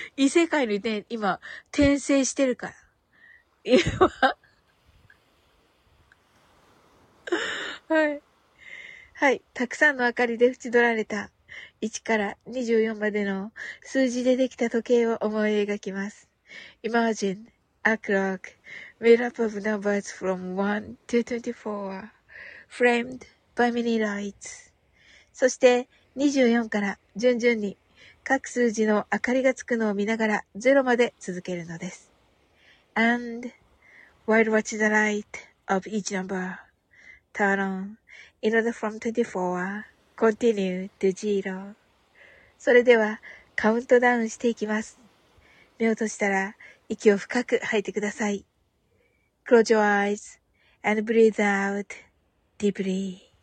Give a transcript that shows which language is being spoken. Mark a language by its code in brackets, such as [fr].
[ja] 異世界にね、今、転生してるから。今。はい。はい。たくさんの明かりで縁取られた1から24までの数字でできた時計を思い描きます。 [en] Imagine a clock made up of numbers from 1 to 24 framed by many lights. [ja] そして、24から順々に各数字の明かりがつくのを見ながら0まで続けるのです。 [en] And while watching the light of each number, turn on in order from 24, continue to 0. [ja] それではカウントダウンしていきます。目を閉じたら息を深く吐いてください。 [en] Close your eyes and breathe out deeply.